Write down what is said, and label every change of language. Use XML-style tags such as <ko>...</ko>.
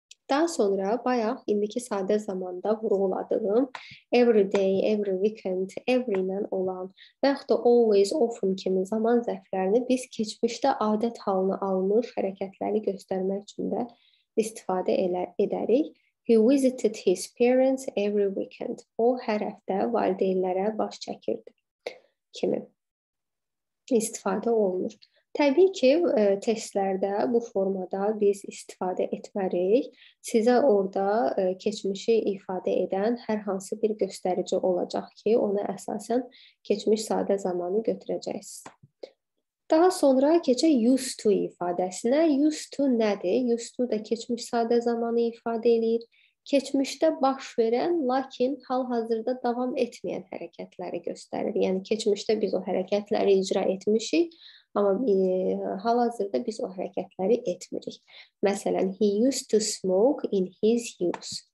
<az>Daha sonra bayaq indiki sadə zamanda vurguladığım every day, every weekend, every ilə olan və yaxud da always, often kimi zaman zərflərini biz keçmişdə adət halını almış hərəkətləri göstərmək üçün də istifadə edərik.</az> <en>He visited his parents every weekend.</en> <az>O hər həftə valideynlərə baş çəkirdi kimi istifadə olunur. Təbii ki, testlərdə bu formada biz istifadə etmərik. Sizə orada keçmişi ifadə edən hər hansı bir göstərici olacaq ki, ona əsasən keçmiş sadə zamanı götürəcəksiniz. Daha sonra keçək used to ifadəsinə. Used to nədir? Used to da keçmiş sadə zamanı ifadə edir. Keçmişdə baş verən, lakin hal-hazırda davam etməyən hərəkətləri göstərir. Yəni, keçmişdə biz o hərəkətləri icra etmişik. Amma hal-hazırda biz o hərəkətləri etmirik.</az> <en>Məsələn, he used to smoke in his youth.</en>